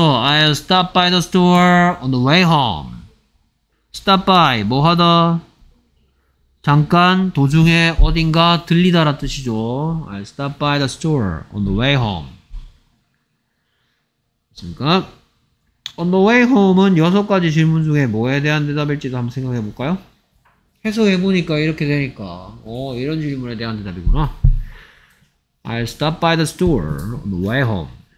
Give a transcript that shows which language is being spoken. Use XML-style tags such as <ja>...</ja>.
<en>I'll stop by the store on the way home.</en> <ko>Stop by, 뭐 하다? 잠깐, 도중에 어딘가 들리다 라는 뜻이죠.</ko> <en>I'll stop by the store on the way home.</en> <ko>됐습니까?</ko> <en>On the way home</en> <ko>은 여섯 가지 질문 중에 뭐에 대한 대답일지도 한번 생각해 볼까요? 해석해보니까 이렇게 되니까 이런 질문에 대한 대답이구나.</ko> <en>I'll stop by the store on the way home.</en>